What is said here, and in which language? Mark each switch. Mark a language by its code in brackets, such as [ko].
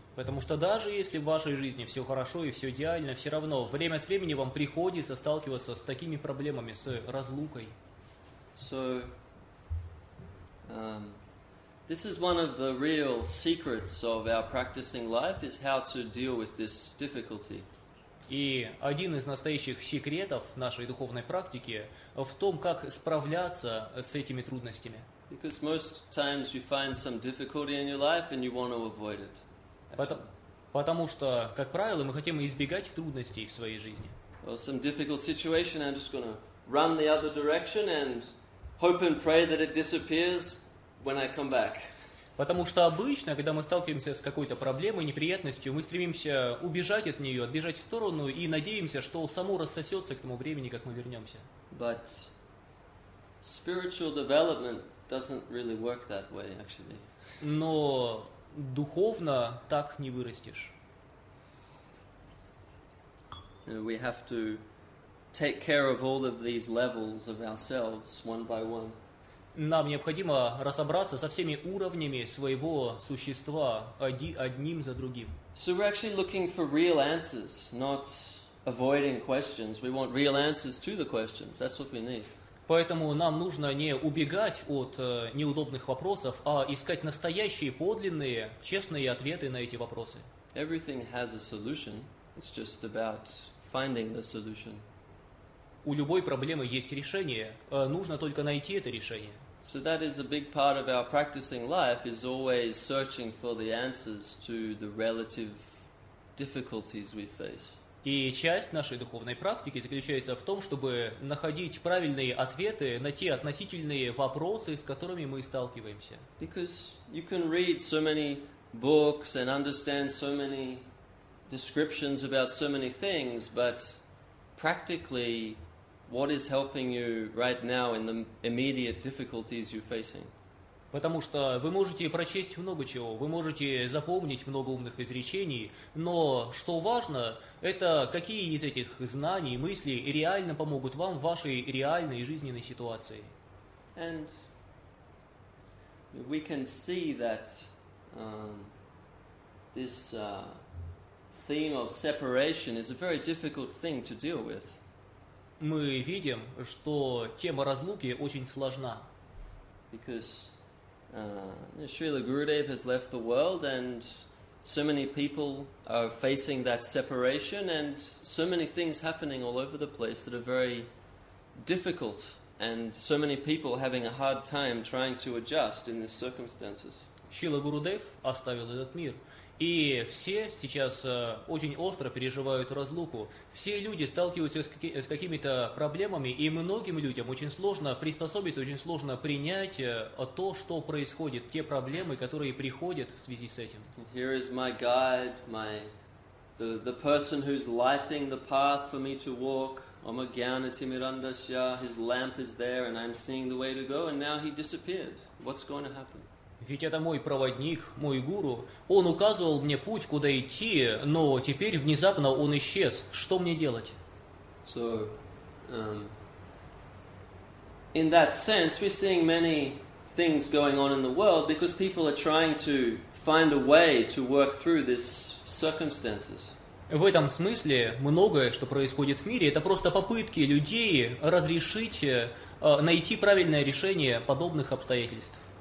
[ru] Потому что даже если в вашей жизни все хорошо и все идеально, все равно время от времени вам приходится сталкиваться с такими проблемами, с разлукой. [en] So, this is one of the real secrets of our practicing life, is how to deal with this difficulty. [ru] И один из настоящих секретов нашей духовной практики в том, как справляться с этими трудностями. [en] Because most times you find some difficulty in your life and you want to avoid it. [ru] Потому что, как правило, мы хотим избегать трудностей в своей жизни. [en] Well, some difficult situation, I'm just going to run the other direction and hope and pray that it disappears when I come back. [ru] Потому что обычно, когда мы сталкиваемся с какой-то проблемой, неприятностью, мы стремимся убежать от нее, отбежать в сторону и надеемся, что само рассосется к тому времени, как мы вернемся. [en] But spiritual development doesn't really work that way, actually. [ru] Но духовно так не вырастешь. [en] We have to take care of all of these levels of ourselves one by one. [ru] Нам необходимо разобраться со всеми уровнями своего существа одним за другим. [en] So we're actually looking for real answers, not avoiding questions. We want real answers to the questions. That's what we need. [ru] Поэтому нам нужно не убегать от неудобных вопросов, а искать настоящие, подлинные, честные ответы на эти вопросы. [en] Everything has a solution. It's just about finding the solution. [ru] У любой проблемы есть решение. Нужно только найти это решение. [en] So that is a big part of our practicing life, is always searching for the answers to the relative difficulties we face. [ru] И часть нашей духовной практики заключается в том, чтобы находить правильные ответы на те относительные вопросы, с которыми мы сталкиваемся. [en] Because you can read so many books and understand so many descriptions about so many things, but practically, what is helping you right now in the immediate difficulties you're facing? [ru] Потому что вы можете прочесть много чего, вы можете запомнить много умных изречений, но что важно, это какие из этих знаний, мыслей реально помогут вам в вашей реальной жизненной ситуации. [en] And we can see that this theme of separation is a very difficult thing to deal with. [ru] Мы видим, что тема разлуки очень сложна. [en] Because Srila Gurudev has left the world, and so many people are facing that separation, and so many things happening all over the place that are very difficult, and so many people having a hard time trying to adjust in these circumstances. [ru] Srila Gurudev оставил этот мир. И все сейчас очень остро переживают разлуку. Все люди сталкиваются с какими-то проблемами, и многим людям очень сложно приспособиться, очень сложно принять то, что происходит, те проблемы, которые приходят в связи с этим. [en] Here is my guide, the person who's lighting the path for me to walk. Omagyana Timirandasya, his lamp is there, and I'm seeing the way to go, and now he disappears. What's going to happen? [ru] Ведь это мой проводник, мой гуру. Он указывал мне путь, куда идти, но теперь внезапно он исчез. Что мне делать? [en] So, in that sense, we're seeing many things going on in the world because people are trying to find a way to work through these circumstances. [ru] В этом смысле многое, что происходит в мире, это просто попытки людей разрешить, найти правильное решение подобных обстоятельств.